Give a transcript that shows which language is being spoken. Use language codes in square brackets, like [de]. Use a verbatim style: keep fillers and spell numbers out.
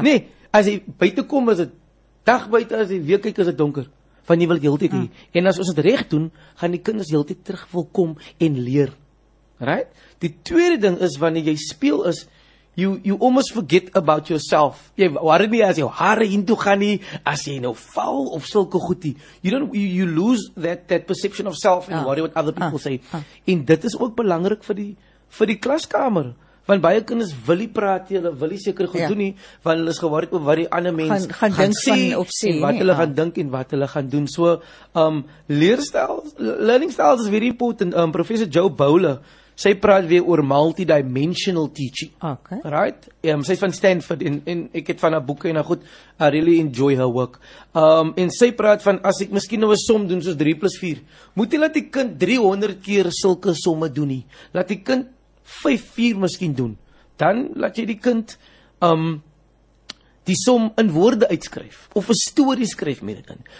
[af] Nee, as jy buite kom, is dit dag buite, as jy weer kyk, is dit donker. Want jy wil heeltyd nie. Mm. En as ons dit reg doen, gaan die kinders heeltyd terug wil kom en leer. Right? Die tweede ding is, wanneer jy speel is, [en] You you almost forget about yourself. [af] Jy worry nie as jou hare into gaan nie, as jy nou val of sulke goed nie. [en] You don't you, you lose that that perception of self and ah, worry what other people ah, say. Ah. [af] En dit is ook belangrik vir die vir die klaskamer. Want baie kinders wil nie praat nie, hulle wil nie seker goed ja. doen nie, want hulle is geworry oor wat die ander mense gaan, gaan, gaan dink van of sê en wat hulle ah. gaan dink en wat hulle gaan doen. So, um leerstyl, [en] learning styles is very important. [af] Um Professor Joe Bowler, sy praat weer oor multidimensional teaching. Okay. Right? Um, sy is van Stanford en, en ek het van haar boeken en haar goed, [en] I really enjoy her work. [af] Um, en sy praat van, as ek miskien nou 'n som doen soos drie plus vier, moet jy laat die kind driehonderd keer sulke somme doen nie. Laat die kind vyf vier miskien doen. Dan laat jy die kind um, die som in woorde uitskryf, of 'n storie skryf met dit in.